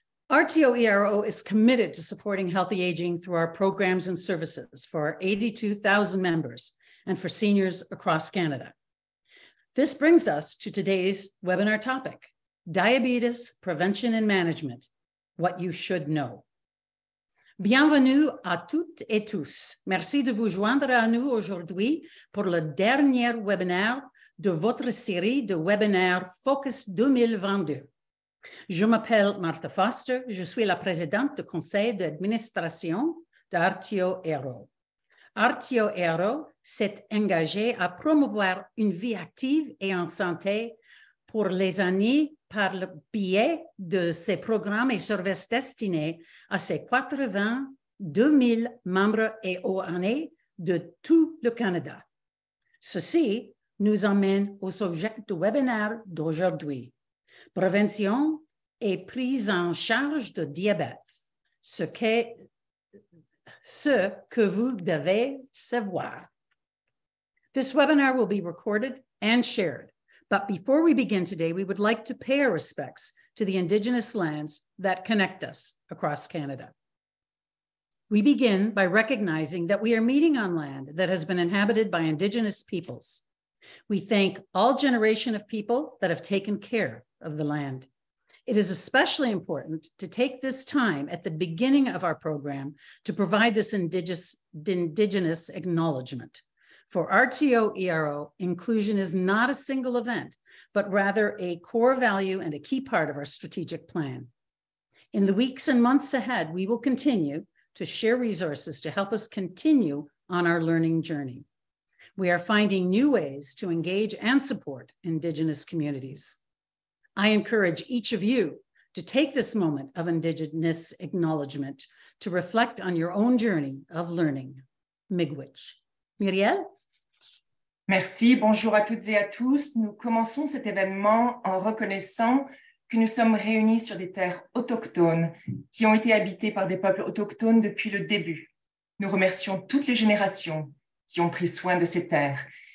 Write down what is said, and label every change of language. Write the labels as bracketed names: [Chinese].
[English] RTOERO is committed to supporting healthy aging through our programs and services for our 82,000 members and for seniors across Canada. This brings us to today's webinar topic, Diabetes Prevention and Management, What You Should Know. [French] Bienvenue à toutes et tous. Merci de vous joindre à nous aujourd'hui pour le dernier webinar de votre série de webinaires Focus 2022. Je m'appelle Martha Foster, je suis la présidente du conseil d'administration d'RTOERO. RTOERO s'est engagé à promouvoir une vie active et en santé pour les années par le biais de ses programmes et services destinés à ses 82 000 membres et aux années de tout le Canada. Ceci nous amène au sujet du webinaire d'aujourd'hui, prévention et prise en charge de diabète, ce que vous devez savoir. [English] This webinar will be recorded and shared. But before we begin today, we would like to pay our respects to the Indigenous lands that connect us across Canada. We begin by recognizing that we are meeting on land that has been inhabited by Indigenous peoples. We thank all generations of people that have taken care of the land. It is especially important to take this time at the beginning of our program to provide this Indigenous acknowledgement. For RTOERO, inclusion is not a single event, but rather a core value and a key part of our strategic plan. In the weeks and months ahead, we will continue to share resources to help us continue on our learning journey. We are finding new ways to engage and support Indigenous communities. I encourage each of you to take this moment of Indigenous acknowledgement to reflect on your own journey of learning. Migwich. Muriel? [French] Merci, bonjour à toutes et à tous. Nous commençons cet événement en reconnaissant que nous sommes réunis sur des terres autochtones qui ont été habitées par des peuples autochtones depuis le début. Nous remercions toutes les générations qui ont pris soin de ces terres.